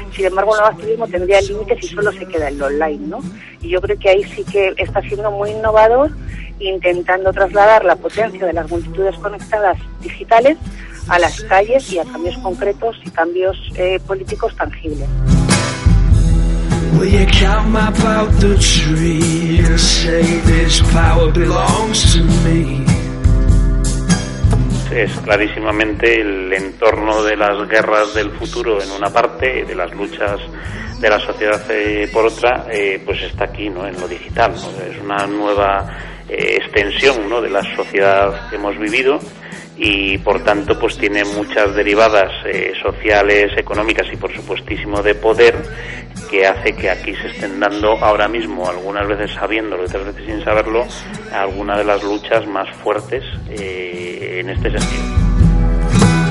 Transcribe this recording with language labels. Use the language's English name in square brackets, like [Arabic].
[Spanish] Sin embargo, el activismo tendría límites si solo se queda en lo online, ¿no? Y yo creo que ahí sí que está siendo muy innovador, intentando trasladar la potencia de las multitudes conectadas digitales a las calles y a cambios concretos y cambios políticos tangibles. [English] Will you come up out the tree and say this power belongs to me? [Spanish] Es clarísimamente el entorno de las guerras del futuro en una parte, de las luchas de la sociedad por otra, pues está aquí, ¿no?, en lo digital, ¿no? Es una nueva extensión, ¿no?, de la sociedad que hemos vivido y, por tanto, pues tiene muchas derivadas sociales, económicas y, por supuestísimo, de poder, que hace que aquí se estén dando ahora mismo, algunas veces sabiéndolo, otras veces sin saberlo, alguna de las luchas más fuertes en este sentido.